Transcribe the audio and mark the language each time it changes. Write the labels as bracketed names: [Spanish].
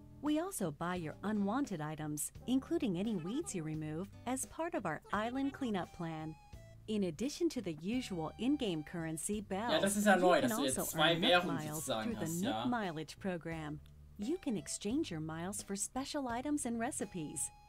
[English] We also buy your unwanted items, including any weeds you remove, as part of our island cleanup plan. In addition to the usual in-game currency, bells, [German] ja, das ist ja neu, dass du jetzt zwei Währungen sozusagen hast, ja. [English] Mileage program. You can exchange your miles for special items and recipes.